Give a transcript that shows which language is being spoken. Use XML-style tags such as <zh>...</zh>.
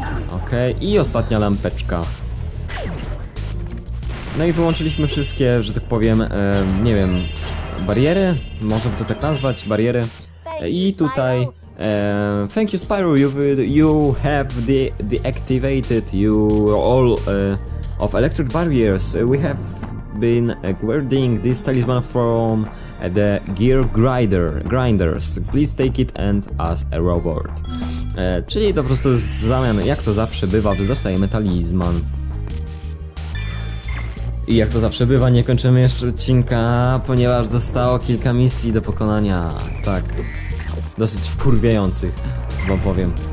<pl>Okej, okay. I ostatnia lampeczka. No i wyłączyliśmy wszystkie, że tak powiem, nie wiem, bariery, można by to tak nazwać, bariery. I tutaj,</pl> <en>thank you Spyro, you have deactivated you all of electric barriers. We have been guarding this talisman from the gear grinders. Please take it and as a reward.</en> <pl>Czyli to po prostu w zamian, jak to zawsze bywa, dostajemy talizman. I jak to zawsze bywa, nie kończymy jeszcze odcinka, ponieważ zostało kilka misji do pokonania. Tak, dosyć wkurwiających, wam powiem.</pl>